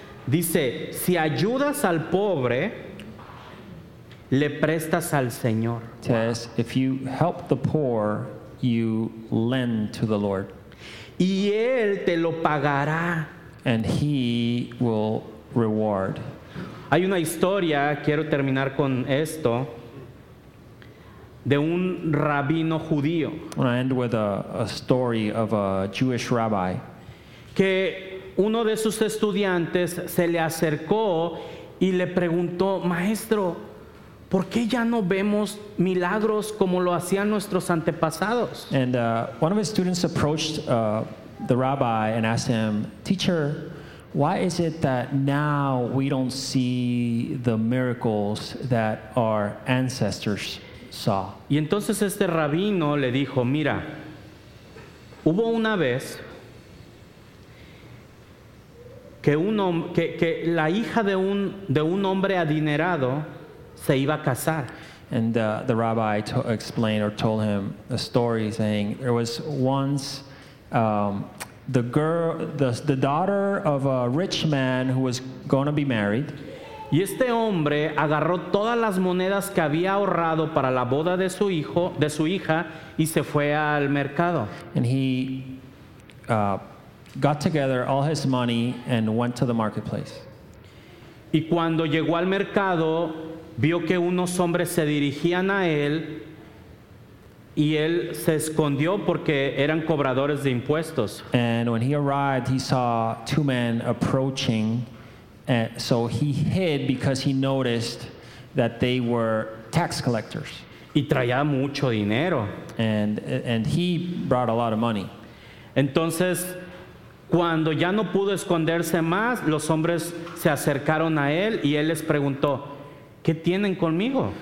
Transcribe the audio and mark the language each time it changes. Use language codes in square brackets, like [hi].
[es] Dice, si ayudas al pobre, le prestas al Señor. [en] It says, if you help the poor, you lend to the Lord. [es] Y él te lo pagará. [en] And he will reward. [es] Hay una historia, quiero terminar con esto, de un rabino judío. [en] I end with a story of a Jewish rabbi. [es] Que uno de sus estudiantes se le acercó y le preguntó, maestro, ¿por qué ya no vemos milagros como lo hacían nuestros antepasados? [en] And one of his students approached the rabbi and asked him, teacher, why is it that now we don't see the miracles that our ancestors saw? [es] Y entonces este rabino le dijo, mira, hubo una vez que la hija de un hombre adinerado se iba a casar. [en] And the rabbi explained or told him a story, saying there was once the daughter of a rich man who was going to be married. [es] Y este hombre agarró todas las monedas que había ahorrado para la boda de su hija y se fue al mercado. [en] And he got together all his money and went to the marketplace. [es] Y cuando llegó al mercado, vio que unos hombres se dirigían a él, y él se escondió porque eran cobradores de impuestos. [en] And when he arrived, he saw two men approaching, and so he hid because he noticed that they were tax collectors. [es] Y traía mucho dinero. [en] And he brought a lot of money. [es] Entonces, cuando ya no pudo esconderse más, los hombres se acercaron a él y él les preguntó, ¿qué tienen conmigo?